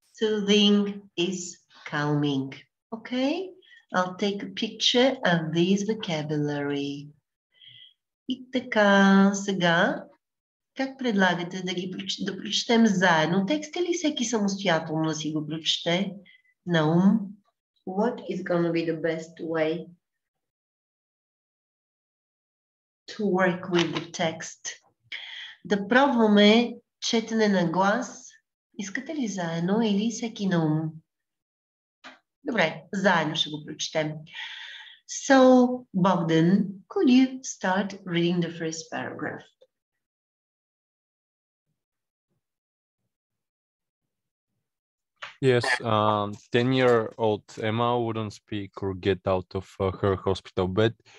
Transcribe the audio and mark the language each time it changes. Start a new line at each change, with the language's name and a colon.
English: Soothing is calming. Okay? I'll take a picture of this vocabulary.
Bulgarian: И така, сега, как предлагате да ги да прочетем заедно текст или всеки самостоятелно да си го прочете на ум?
English: What is going to be the best way to work with the text?
Bulgarian: Да пробваме четене на глас. Искате ли заедно или всеки на ум? Добре, заедно ще го прочетем.
English: So, Bogdan, could you start reading the first paragraph? Yes, 10-year-old Emma wouldn't speak or get out of her hospital bed.